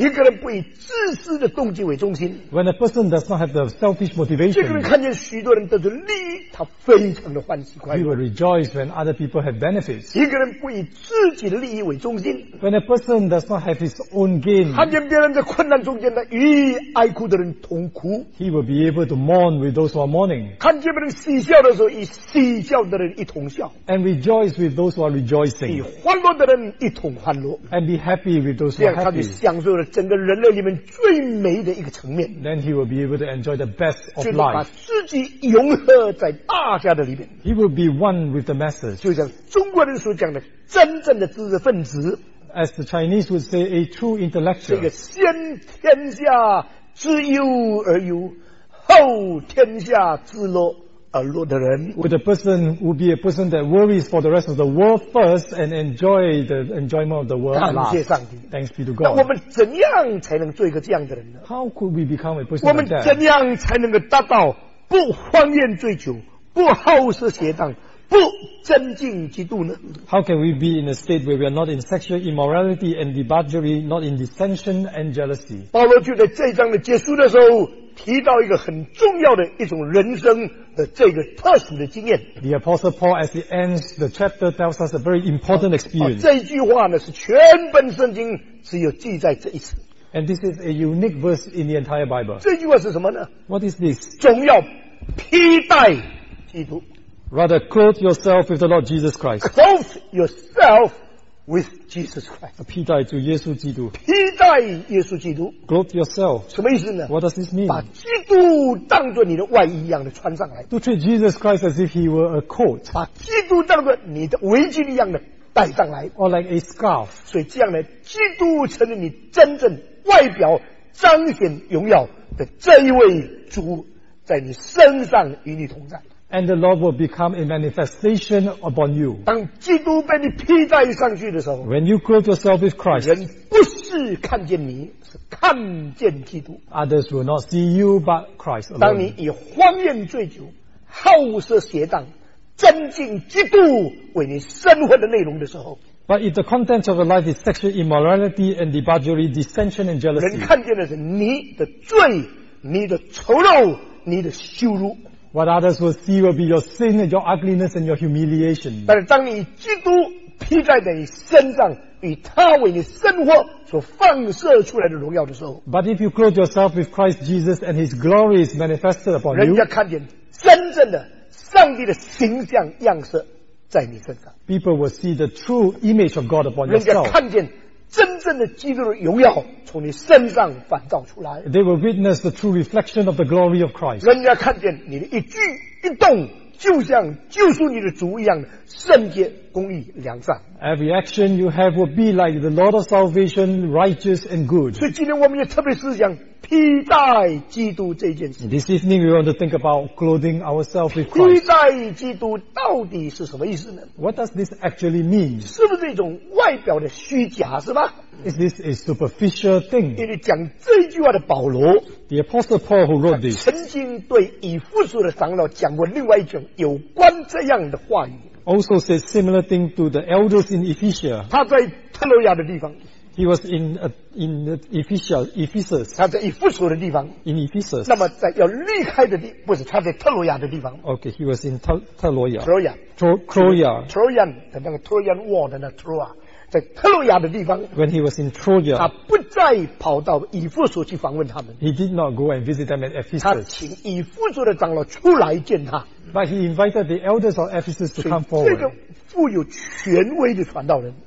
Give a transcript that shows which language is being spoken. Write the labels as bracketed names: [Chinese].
[Chinese] 一个人不以自私的动机为中心， [English] when a person does not have the selfish motivation, [Chinese] 这个人看见许多人得着利益，他非常的欢喜快乐。 [English] He will rejoice when other people have benefits. [Chinese] 一个人不以自己的利益为中心， [English] when a person does not have his own gain, [Chinese] 看见别人在困难中看见那与哀哭的人同哭， [English] He will be able to mourn with those who are mourning. [Chinese] 看见别人喜笑的时候，与喜笑的人一同笑。 [English] And rejoice with those who are rejoicing. [Chinese] 与欢乐的人一同欢乐。 [English] And be happy with those who are happy. [Chinese] 这样他就享受了整个人类里面最美的一个层面。 [English] Then he will be able to enjoy the best of life. [Chinese] 就把自己融合在大家的里面。 [English] He will be one with the masses. [Chinese] 就像中国人所讲的，真正的知识分子。 [English] As the Chinese would say, a true intellectual. [Chinese] 这个先天下之忧而忧，后天下之乐而乐的人。 [English] With a person who be a person that worries for the rest of the world first and enjoy the enjoyment of the world last. [Chinese] 感谢上帝。 [English] Thanks be to God. [Chinese] 那我们怎样才能做一个这样的人呢？ [English] How could we become a person like that? [Chinese] 我们怎样才能够达到不荒宴醉酒，不好色邪荡，不真净嫉妒呢？ [English] How can we be in a state where we are not in sexual immorality and debauchery, not in dissension and jealousy? [Chinese] 保罗就在这一章的结束的时候提到一个很重要的一种人生的这个特殊的经验。 [English] The Apostle Paul, as he ends the chapter, tells us a very important experience. [Chinese] 这一句话呢是全本圣经只有记载这一次。 [English] And this is a unique verse in the entire Bible. [Chinese] 这句话是什么呢？ [English] What is this? [Chinese] 总要披戴基督。 [English] Rather, clothe yourself with the Lord Jesus Christ. Clothe yourself with Jesus Christ. [Chinese] 披戴主耶稣基督。披戴耶稣基督。 [English] Clothe yourself. [Chinese] 什么意思呢？ [English] What does this mean? [Chinese] 把基督当作你的外衣一样的穿上来。 [English] To treat Jesus Christ as if he were a coat. [Chinese] 把基督当作你的围巾一样的戴上来。 [English] Or like a scarf. [Chinese] 所以这样呢，基督成了你真正外表彰显荣耀的这一位主，在你身上与你同在。 [English] And the Lord will become a manifestation upon you. [Chinese] 当基督被你披戴上去的时候， [English] When you clothe yourself with Christ, [Chinese] 人不是看见你，是看见基督。 [English] Others will not see you but Christ alone. [Chinese] 当你以荒宴醉酒、好色邪荡、增进基督为你生活的内容的时候， [English] But if the content of your life is sexual immorality and debauchery, dissension and jealousy, [Chinese] 人看见的是你的罪、你的丑陋、你的羞辱。 [English] What others will see will be your sin, your ugliness, and your humiliation. [Chinese] 但是当你基督披在你身上，与他为你生活所放射出来的荣耀的时候， [English] But if you clothe yourself with Christ Jesus and His glory is manifested upon you, [Chinese] 人家看见真正的上帝的形象样式在你身上。 [English] People will see the true image of God upon yourself. [Chinese] 人家看见真正的基督的荣耀从你身上反照出来。 [English] They will witness the true reflection of the glory of Christ. [Chinese] 人家看见你的一举一动就像救赎你的主一样的圣洁、公义、良善。 [English] Every action you have will be like the Lord of salvation, righteous and good. [Chinese] 所以今天我们也特别思想披戴基督这件事。 [English] This evening we want to think about clothing ourselves with Christ. [Chinese] 披戴基督到底是什么意思呢？ [English] What does this actually mean? [Chinese] 是不是一种外表的虚假是吧？ [English] Is this a superficial thing? [Chinese] 因为讲这句话的保罗， [English] The Apostle Paul who wrote this, [Chinese] 曾经对以弗所的长老讲过另外一种有关这样的话语。 [English] Also said similar thing to the elders in Ephesus. [Chinese] 他在特洛亚的地方。 [English] He was in Ephesus. Ephesus. [Chinese] 他在以弗所的地方。 [English] In Ephesus. [Chinese] 那么在要离开的地，不是他在特洛亚的地方。 [English] Okay, he was in 特洛亚。 [Chinese] 特洛亚。 [English] Troya. [Chinese] Troyan 的那个 Troyan War 的那 Troya， 在特洛亚的地方。 [English] When he was in Troya. [Chinese] 他不再跑到以弗所去访问他们。 [English] He did not go and visit them at Ephesus. [Chinese] 他请以弗所的长老出来见他。 [English] But he invited the elders of Ephesus to come forward. [Chinese] 这个富有权威的传道人。